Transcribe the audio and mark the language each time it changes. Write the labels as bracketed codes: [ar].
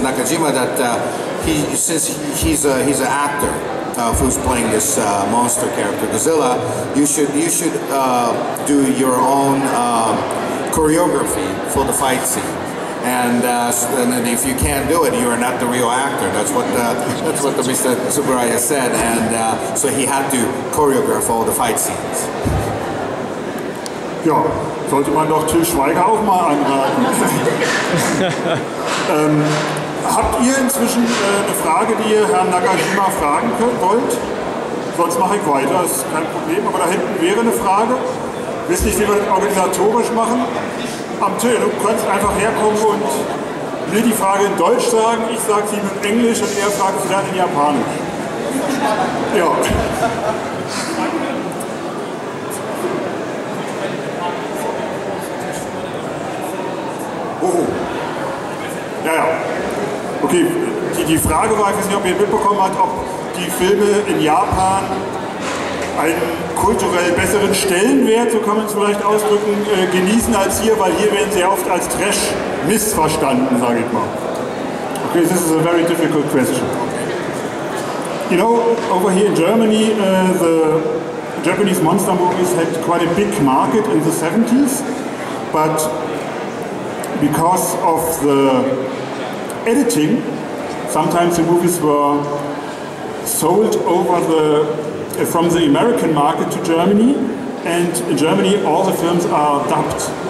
[en] Nakajima that he's an actor who's playing this monster character Godzilla, you should do your own choreography for the fight scene. And if you can't do it, you are not the real actor. That's what Mr. Tsuburaya said. And so he had to choreograph all the fight scenes. [de] Ja, sollte man doch Til Schweiger auch mal anraten. Habt ihr inzwischen eine Frage, die ihr Herrn Nakajima fragen könnt, wollt? Sonst mache ich weiter, das ist kein Problem. Aber da hinten wäre eine Frage. Wisst nicht, wie wir das organisatorisch machen? Am Till, du könntest einfach herkommen und mir die Frage in Deutsch sagen, ich sage sie in Englisch und er fragt sie dann in Japanisch. Ja. Oh. Ja, ja. Okay, die Frage war, ich weiß nicht, ob ihr mitbekommen habt, ob die Filme in Japan einen kulturell besseren Stellenwert, so kann man es vielleicht ausdrücken, genießen als hier, weil hier werden sehr oft als Trash missverstanden, sage ich mal. [en] Okay, this is a very difficult question. You know, over here in Germany, the Japanese monster movies had quite a big market in the 70s, but because of the editing, sometimes the movies were sold over the from the American market to Germany, and in Germany all the films are dubbed.